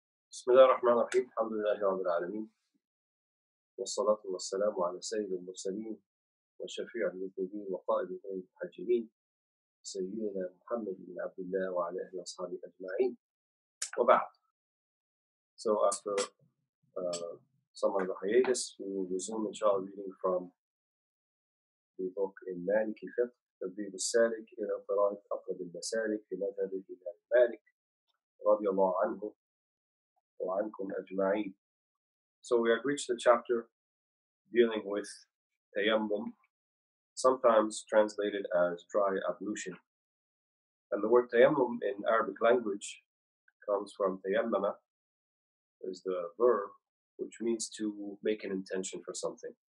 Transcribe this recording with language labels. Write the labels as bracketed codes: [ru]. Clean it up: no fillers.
[ar] بسم الله الرحمن الرحيم، الحمد لله رب العالمين، والصلاة والسلام على سيد المرسلين وشفيع المذنبين وقائد المحجلين سيدنا محمد بن عبد الله وعلى أهل أصحابه أجمعين، وبعد. [en] So after some of the hiatus, we will resume inshallah reading from the book in Maliki Fiqh. [ar] تدريب السالك إلى قراءة أقرب المسالك في مذهب الإمام مالك رضي الله عنه وعنكم أجمعين. [en] So we have reached the chapter dealing with tayammum, sometimes translated as dry ablution. And the word tayammum in Arabic language comes from tayammama, is the verb which means to make an intention for something.